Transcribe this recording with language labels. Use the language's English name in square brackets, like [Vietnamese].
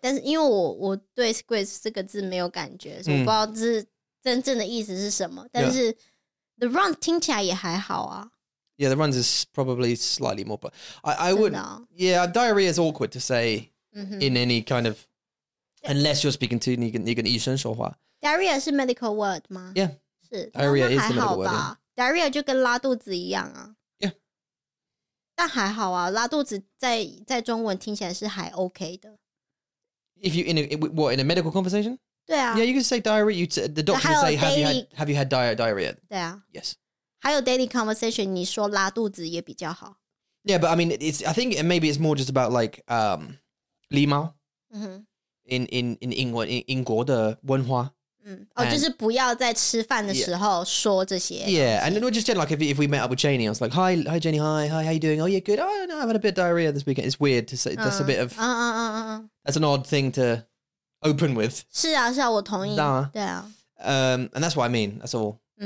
[Chinese] 但是因为我对 squids 这个字没有感觉,所以我不知道这真正的意思是什么。但是 the runs 听起来也还好啊。 [English] Yeah, the runs is probably slightly more, but I would, yeah, diarrhea is awkward to say in any kind of, unless you're speaking to 你跟医生说话. Diarrhea is a medical word 吗? Yeah. 是, diarrhea is the medical word. Yeah. Diarrhea 就跟拉肚子一样啊。 Yeah. [Chinese] 但还好啊,拉肚子在中文听起来是还 OK 的。 [English] If you, in a medical conversation? [Chinese] 对啊。 [English] Yeah, you can say diarrhea, the doctor can say, have you had diarrhea? [Chinese] 对啊。 [English] Yes. [Chinese] 还有 daily conversation, 你说拉肚子也比较好。 [English] Yeah, but I mean, I think maybe it's more just about like, 礼貌。 [Chinese] In 英国的文化。 Oh, 就是不要在吃饭的时候说这些。 [English] Yeah, and then we're just saying like, if we met up with Janie, I was like, hi Janie, hi, how you doing? Oh, yeah, good. Oh, no, I've had a bit of diarrhea this weekend. It's weird to say, that's a bit of, that's an odd thing to open with. [Chinese] 是啊是啊我同意。对啊。 [English] And that's what I mean, that's all.